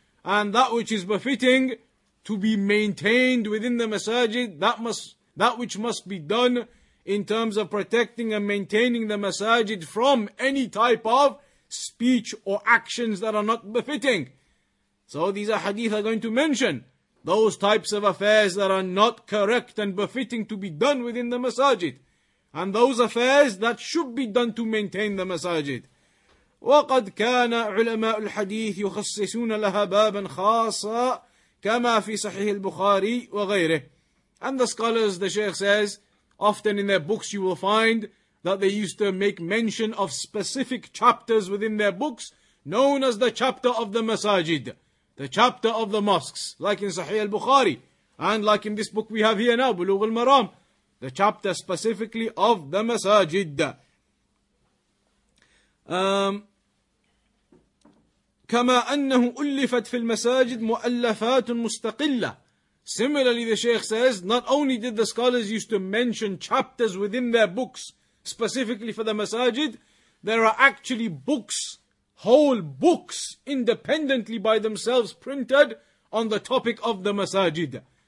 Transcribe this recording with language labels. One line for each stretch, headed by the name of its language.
English: And that which is befitting to be maintained within the masajid, that which must be done in terms of protecting and maintaining the masajid from any type of speech or actions that are not befitting. So these are hadith are going to mention those types of affairs that are not correct and befitting to be done within the masajid, and those affairs that should be done to maintain the masajid.
Arabic: وقد كان علماء الحديث يخصصون لها بابا خاصا كما في صحيح البخاري وغيره.
English: And the scholars, the Shaykh says, often in their books you will find that they used to make mention of specific chapters within their books known as the chapter of the masajid, the chapter of the mosques, like in Sahih al-Bukhari, and like in this book we have here now, Bulugh al-Maram, the chapter specifically of the masajid.
Arabic: كما أنه ألفت في المساجد مؤلفات مستقلة.
English: Similarly, the Shaykh says, not only did the scholars used to mention chapters within their books specifically for the masajid, there are actually books, whole books, independently by themselves printed on the topic of the masajid.